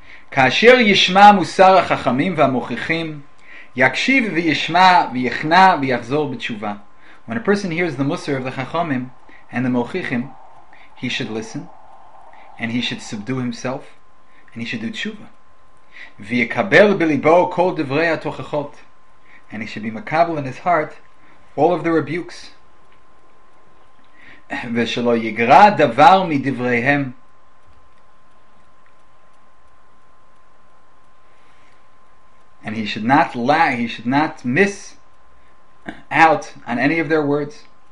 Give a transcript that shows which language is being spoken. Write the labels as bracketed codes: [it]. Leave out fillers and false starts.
[he] כאשר ישמע מוסר החכמים והמוכיחים, יקשיב וישמע ויכנע ויחזור בתשובה. [en] When a person hears the Musar of the Chachamim and the Mochichim, he should listen, and he should subdue himself, and he should do tshuva. [he] ויקבל בליבו כל דברי התוכחות. [en] And he should be מקבל in his heart all of the rebukes. [he] ושלא יגרע דבר מדבריהם. [en] And he should not lie, he should not miss out on any of their words.